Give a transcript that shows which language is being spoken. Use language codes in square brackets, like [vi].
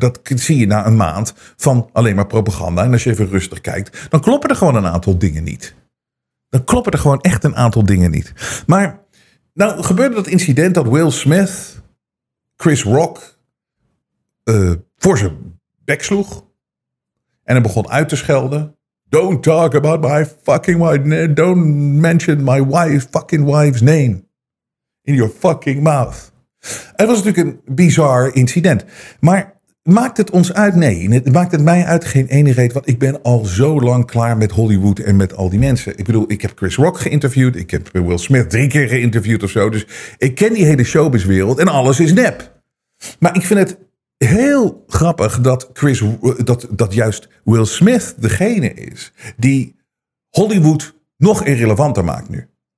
[nl] Dat zie je na een maand van alleen maar propaganda. En als je even rustig kijkt, dan kloppen er gewoon een aantal dingen niet. Dan kloppen er gewoon echt een aantal dingen niet. Maar nou gebeurde dat incident dat Will Smith Chris Rock voor zijn bek sloeg. En hij begon uit te schelden. [en] Don't talk about my fucking wife. Don't mention my wife, fucking wife's name in your fucking mouth. [nl] Het was natuurlijk een bizar incident. Maar maakt het ons uit? Nee, het maakt het mij uit geen ene reet. Want ik ben al zo lang klaar met Hollywood en met al die mensen. Ik bedoel, ik heb Chris Rock geïnterviewd. Ik heb Will Smith 3 keer geïnterviewd of zo. Dus ik ken die hele showbizwereld en alles is nep. Maar ik vind het heel grappig dat dat juist Will Smith degene is die Hollywood nog irrelevanter maakt nu.